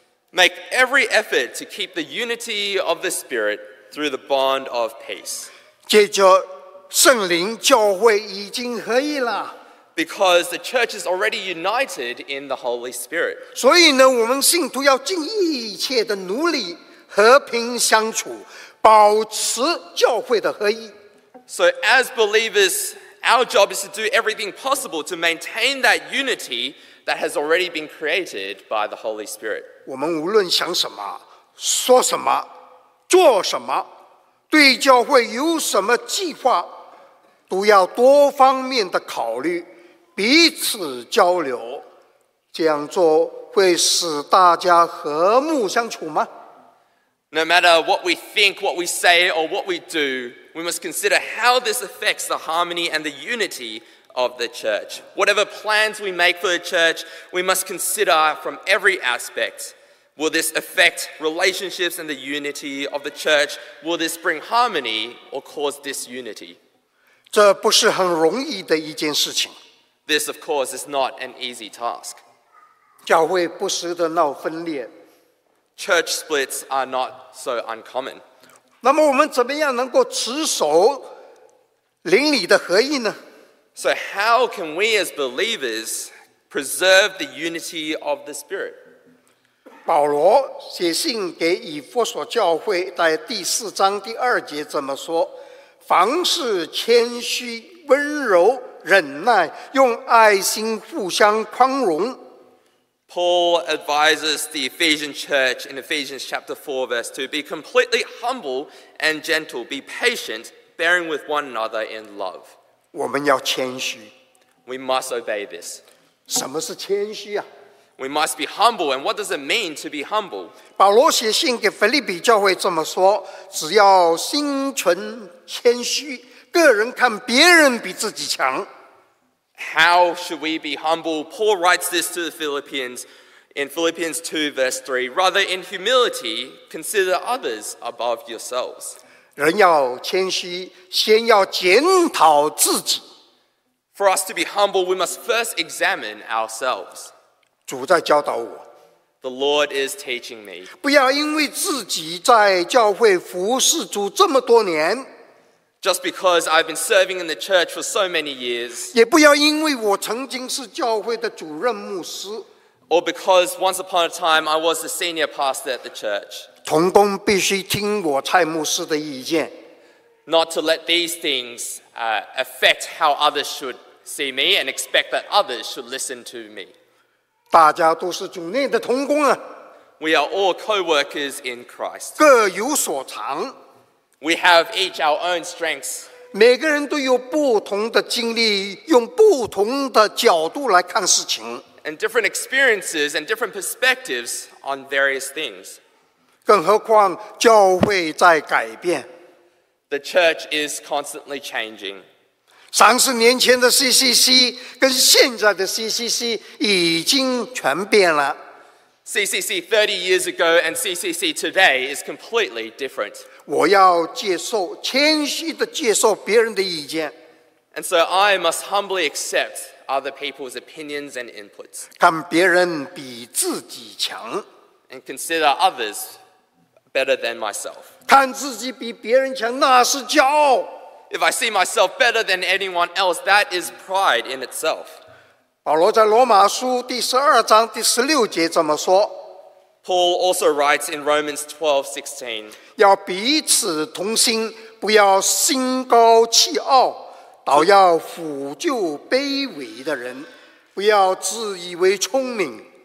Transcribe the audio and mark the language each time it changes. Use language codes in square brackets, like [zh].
[en] Make every effort to keep the unity of the Spirit through the bond of peace. [zh] 借着圣灵，教会已经合一了。 [en] Because the church is already united in the Holy Spirit. [zh] 所以呢，我们信徒要尽一切的努力，和平相处，保持教会的合一。 [en] So as believers, our job is to do everything possible to maintain that unity that has already been created by the Holy Spirit. [zh] 我们无论想什么，说什么，做什么，对教会有什么计划，都要多方面的考虑。彼此交流，这样做会使大家和睦相处吗？ [en] No matter what we think, what we say, or what we do, we must consider how this affects the harmony and the unity of the church. Whatever plans we make for the church, we must consider from every aspect. Will this affect relationships and the unity of the church? Will this bring harmony or cause disunity? [zh] 这不是很容易的一件事情。 [en] This, of course, is not an easy task. [zh] 教会不时的闹分裂。 [en] Church splits are not so uncommon. [zh] 那么我们怎么样能够持守邻里的合一呢？ [en] So how can we as believers preserve the unity of the Spirit? [zh] 保罗写信给以弗所教会在第四章第二节怎么说？凡事谦虚温柔忍耐，用爱心互相宽容。 [en] Paul advises the Ephesian church in Ephesians chapter 4 verse 2 be completely humble and gentle, be patient, bearing with one another in love. [zh] 我们要谦虚。 [en] We must obey this. [zh] 什么是谦虚啊？ [en] We must be humble, and what does it mean to be humble? [zh] 保罗写信给腓立比教会这么说，只要心存谦虚，个人看别人比自己强。 [en] How should we be humble? Paul writes this to the Philippians in Philippians 2 verse 3. Rather in humility, consider others above yourselves. [zh] 人要谦虚，先要检讨自己。 [en] For us to be humble, we must first examine ourselves. [zh] 主在教导我。 [en] The Lord is teaching me. [zh] 不要因为自己在教会服侍主这么多年。 [en] Just because I've been serving in the church for so many years. [zh] 也不要因为我曾经是教会的主任牧师。 [en] Or because once upon a time I was the senior pastor at the church. [zh] 同工必须听我蔡牧师的意见。 [en] Not to let these things affect how others should see me and expect that others should listen to me. [zh] 大家都是主内的同工啊。 [en] We are all co-workers in Christ. [zh] 各有所长。 [en] We have each our own strengths. [zh] 每个人都有不同的经历，用不同的角度来看事情。 [en] And different experiences and different perspectives on various things. [zh] 更何况教会在改变。 [en] The church is constantly changing. [zh] 三十年前的 CCC 跟现在的 CCC 已经全变了。 [en] CCC 30 years ago and CCC today is completely different. [zh] 我要接受，谦虚地接受别人的意见。 [en] And so I must humbly accept other people's opinions and inputs. [zh] 看别人比自己强。 [en] And consider others better than myself. [zh] 看自己比别人强，那是骄傲。 [en] If I see myself better than anyone else, that is pride in itself. [zh] 保罗在罗马书第十二章第十六节怎么说？ [en] Paul also writes in Romans 12:16. [zh] 要彼此同心，不要心高气傲。倒要辅救卑微的人，不要自以为聪明。